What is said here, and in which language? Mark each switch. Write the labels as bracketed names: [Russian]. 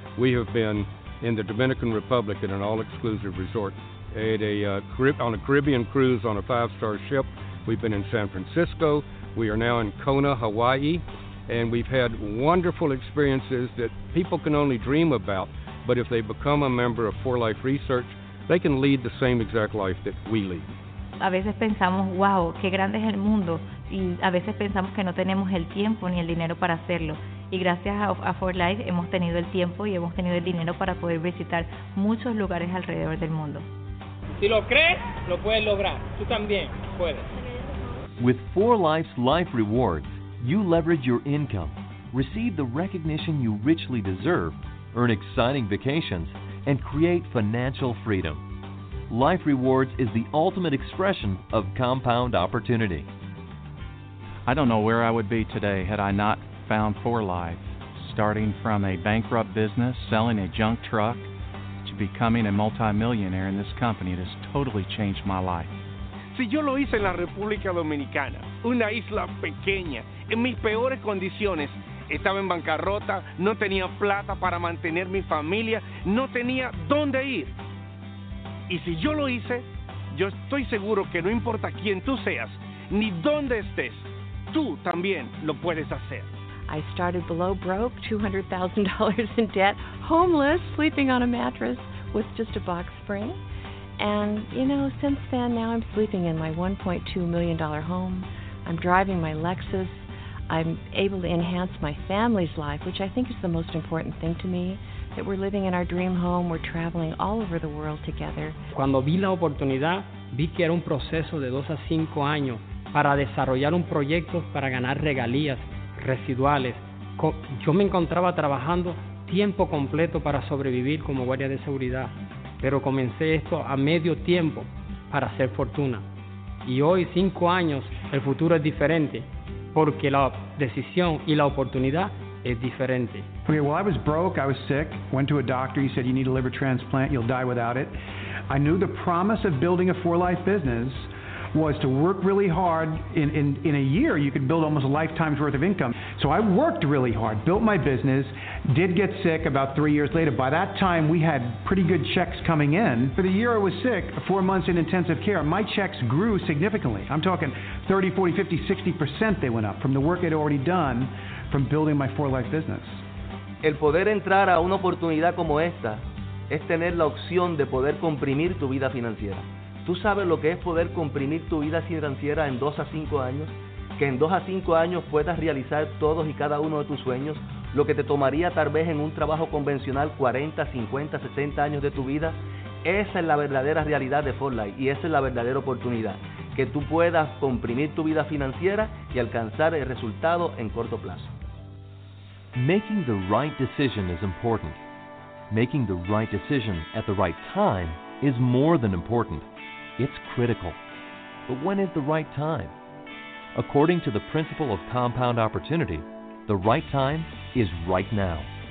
[English] We have been in the Dominican Republic at an all-exclusive resort, at a on a Caribbean cruise on a five-star ship. We've been in San Francisco. We are now in Kona, Hawaii. And we've had wonderful experiences that people can only dream about. But if they become a member of 4Life Research, they can lead the same exact life that we lead. [Spanish] A veces pensamos, wow, qué grande es el mundo. Y a veces pensamos que no tenemos el tiempo ni el dinero para hacerlo. Y gracias a 4Life hemos tenido el tiempo y hemos tenido el dinero para poder visitar muchos lugares alrededor del mundo. Si lo crees, lo puedes lograr. Tú también puedes. [English] With 4Life's Life Rewards, you leverage your income, receive the recognition you richly deserve, earn exciting vacations, and create financial freedom. Life Rewards is the ultimate expression of compound opportunity. I don't know where I would be today had I not found 4Life, starting from a bankrupt business, selling a junk truck, to becoming a multimillionaire in this company. It has totally changed my life. [Spanish] Si yo lo hice en la República Dominicana, una isla pequeña, en mis peores condiciones, estaba en bancarrota, no tenía plata para mantener mi familia, no tenía dónde ir. Y si yo lo hice, yo estoy seguro que no importa quién tú seas, ni dónde estés, tú también lo puedes hacer. [English] I started below broke, $200,000 in debt, homeless, sleeping on a mattress with just a box spring. And, you know, since then, now I'm sleeping in my $1.2 million home. I'm driving my Lexus. I'm able to enhance my family's life, which I think is the most important thing to me, that we're living in our dream home. We're traveling all over the world together. [Spanish] Cuando vi la oportunidad, vi que era un proceso de 2 a 5 años para desarrollar un proyecto para ganar regalías residuales. Yo me encontraba trabajando tiempo completo para sobrevivir como guardia de seguridad. Pero comencé esto a medio tiempo para hacer fortuna. Y hoy, 5 años, el futuro es diferente porque la decisión y la oportunidad es diferente. [English] Okay, well, I was broke, I was sick, went to a doctor, he said, you need a liver transplant, you'll die without it. I knew the promise of building a 4Life business was to work really hard. In a year, you could build almost a lifetime's worth of income. So I worked really hard, built my business, did get sick about 3 years later. By that time, we had pretty good checks coming in. For the year I was sick, 4 months in intensive care, my checks grew significantly. I'm talking 30, 40, 50, 60% they went up from the work I'd already done from building my 4Life business. [Spanish] El poder entrar a una oportunidad como esta es tener la opción de poder comprimir tu vida financiera. ¿Tú sabes lo que es poder comprimir tu vida financiera en 2 a 5 años? Que en 2 a 5 años puedas realizar todos y cada uno de tus sueños, lo que te tomaría tal vez en un trabajo convencional 40, 50, 60 años de tu vida. Esa es la verdadera realidad de 4Life y esa es la verdadera oportunidad. Que tú puedas comprimir tu vida financiera y alcanzar el resultado en corto plazo. [English] Making the right decision is important. Making the right decision at the right time is more than important. It's critical. But when is the right time? According to the principle of compound opportunity, the right time is right now.